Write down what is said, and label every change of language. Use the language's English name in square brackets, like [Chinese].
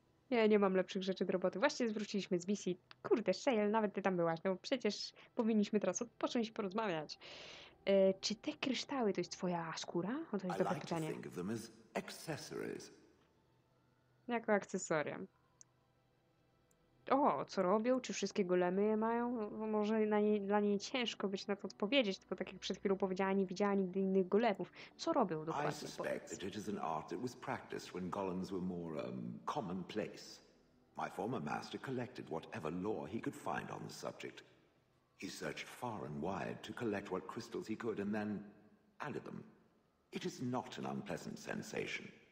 [Polish] Ja nie mam lepszych rzeczy do roboty. Właśnie zwróciliśmy z misji. Kurde, Shale, nawet ty tam byłaś. No przecież powinniśmy teraz odpocząć i porozmawiać. Czy te kryształy to jest twoja skóra? O, to jest dobre pytanie. [English] I like to think of them as accessories. [Polish] Jako akcesoria. O, co robią? Czy wszystkie golemy je mają? No, może na nie, dla niej ciężko być na to odpowiedzieć, tylko tak jak przed chwilą powiedziała, nie widziała nigdy innych golemów. Co robią dokładnie? [English] I suspect that it is an art that was practiced when golems were more commonplace. My former master collected whatever lore he could find on the subject. He searched far and wide to collect what crystals he could and then added them. It is not an unpleasant sensation.